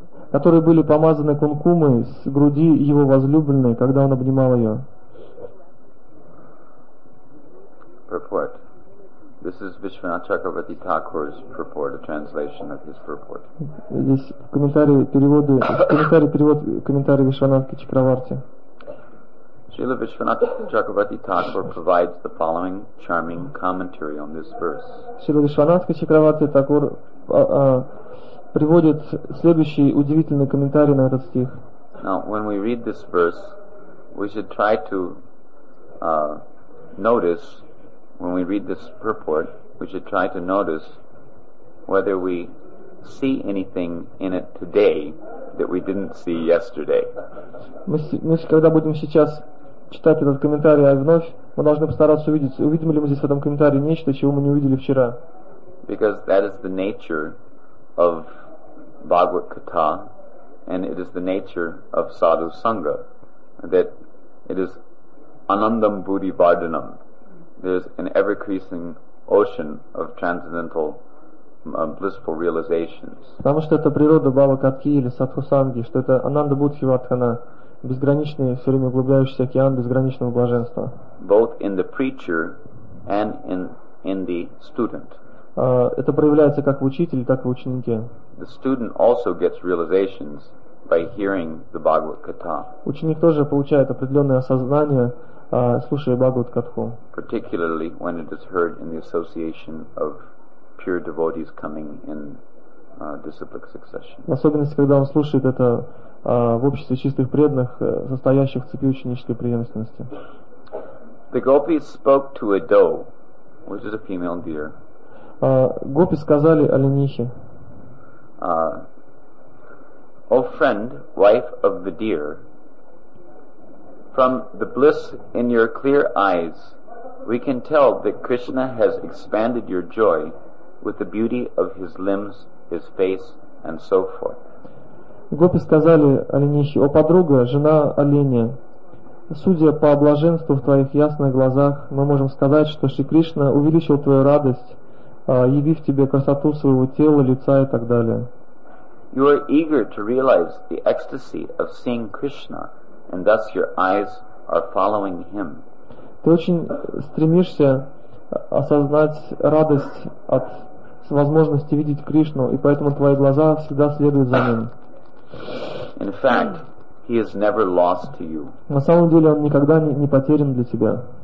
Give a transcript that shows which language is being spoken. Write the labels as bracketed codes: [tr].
[ru] Которые были помазаны кункумой с груди его возлюбленной, когда он обнимал ее. [en] Purport. This is Vishwanath Chakravarti Thakur's purport, a translation of his purport. [ru] Здесь комментарии, переводы, комментарии, перевод, комментарии Вишванатхи Чакраварти. [en] Srila Vishwanath Chakravarti Thakur provides the following charming commentary on this verse. [ru] Srila Vishwanathka Chakravarti Thakur приводит следующий удивительный комментарий на этот стих. [en] Now, when we read this verse, we should try to notice, when we read this purport, we should try to notice whether we see anything in it today that we didn't see yesterday. [ru] Мы, когда будем сейчас читать этот комментарий вновь, мы должны постараться увидеть, увидим ли мы здесь в этом комментарии нечто, чего мы не увидели вчера. [en] Because that is the nature of Bhagavad Katha, and it is the nature of Sadhu Sangha, that it is Anandam Buddhi Vardhanam. There is an ever-increasing ocean of transcendental blissful realizations. [ru] Потому что это природа Бхава Катхи или Садху Санги, что это Ананда Будхи Вардхана, безграничный, все время углубляющийся океан безграничного блаженства. [en] Both in the preacher and in the student. [ru] Это проявляется как в учителе, так и в ученике. [en] The student also gets realizations by hearing the Bhagavad Katha. [ru] Ученик тоже получает определенное осознание, слушая Бхагавад Катху. [en] Particularly when it is heard in the association of pure devotees coming in disciplic succession. [ru] В особенности, когда он слушает это в обществе чистых преданных, состоящих в цепи ученической преемственности. [en] The gopis spoke to a doe, which is a female deer. [ru] Гопи сказали оленихе. [en] O friend, wife of the deer, from the bliss in your clear eyes, we can tell that Krishna has expanded your joy with the beauty of his limbs, his face, and so forth. [ru] Гопи сказали оленихе, о подруга, жена оленя, Судя по блаженству в твоих ясных глазах, мы можем сказать, что Шри Кришна увеличил твою радость, явив тебе красоту своего тела, лица и так далее. [en] You are eager to realize the ecstasy of seeing Krishna, and thus your eyes are following him. [ru] Ты очень стремишься осознать радость от возможности видеть Кришну, и поэтому твои глаза всегда следуют за ним. [en] In fact, he is never lost to you. [ru] На самом деле он никогда не потерян для тебя.